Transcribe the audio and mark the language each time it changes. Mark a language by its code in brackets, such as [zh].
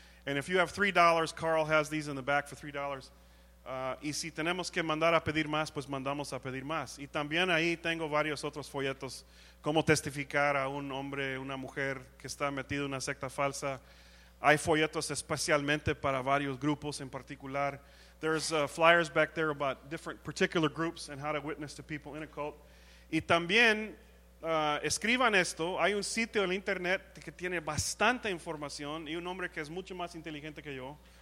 [en] And if you have $3, Carl has these in the back for $3. [es] Y si tenemos que mandar a pedir más, pues mandamos a pedir más. Y también ahí tengo varios otros folletos, cómo testificar a un hombre, una mujer que está metido en una secta falsa. Hay folletos especialmente para varios grupos en particular. [en] There's flyers back there about different particular groups and how to witness to people in a cult. [es] Y también, escriban esto. Hay un sitio en internet que tiene bastante información y un hombre que es mucho más inteligente que yo.